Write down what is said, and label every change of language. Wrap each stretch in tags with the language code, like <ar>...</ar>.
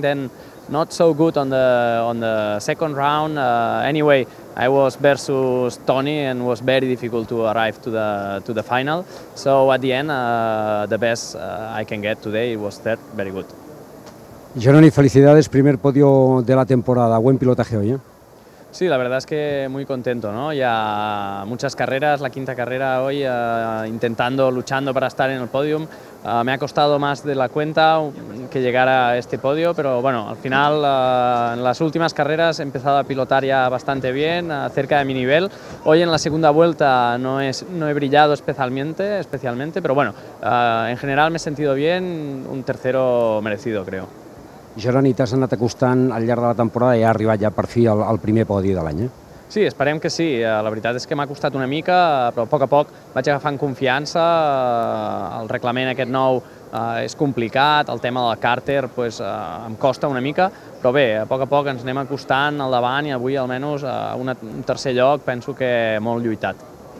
<en>Then not so good on the second round. Anyway, I was versus Tony and was very difficult to arrive to the final. So at the end, the best I can get today was third, very good.</en> <es>Jeroni, felicidades, primer podio de la temporada. Buen pilotaje hoy, ¿eh? Sí, la verdad es que muy contento, ¿no? Ya muchas carreras, la quinta carrera hoy, intentando, luchando para estar en el podio. Me ha costado más de la cuenta que llegar a este podio, pero bueno, al final, en las últimas carreras he empezado a pilotar ya bastante bien, cerca de mi nivel. Hoy en la segunda vuelta no he brillado especialmente, pero bueno, en general me he sentido bien, un tercero merecido, creo.</es> <ca>Jeroni, t'has anat acostant al llarg de la temporada i ha arribat ja per fi al primer podi de l'any, eh? Sí, esperem que sí. La veritat és que m'ha costat una mica, però a poc vaig agafant confiança. El reglament aquest nou és complicat, el tema del càrter em costa una mica, però bé, a poc ens anem acostant al davant i avui almenys un tercer lloc penso que molt lluitat.</ca>